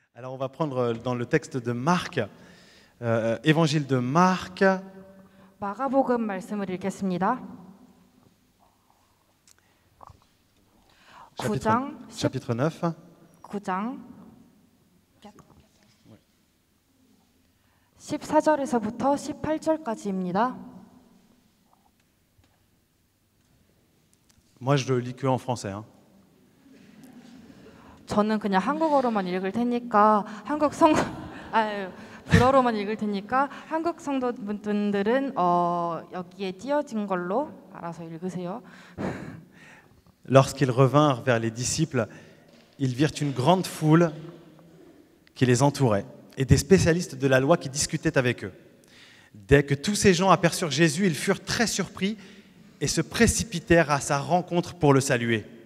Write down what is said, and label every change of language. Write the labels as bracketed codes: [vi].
[fr] Alors, on va prendre dans le texte de Marc, évangile de Marc. [ko] 마가복음 말씀을 읽겠습니다. 9장 [fr] chapitre 9. [ko] 9장 14절에서부터 18절까지입니다. [fr] Moi je le lis que en français hein. [ko] 저는 그냥 한국어로만 읽을 테니까 한국 성 불어로만 읽을 테니까 한국 성도분들은 여기에 띄어진 걸로 알아서 읽으세요. [fr] Lorsqu'ils revinrent vers les disciples, ils virent une grande foule qui les entourait et des spécialistes de la loi qui discutaient avec eux. Dès que tous ces gens aperçurent Jésus, ils furent très surpris et se précipitèrent à sa rencontre pour le saluer.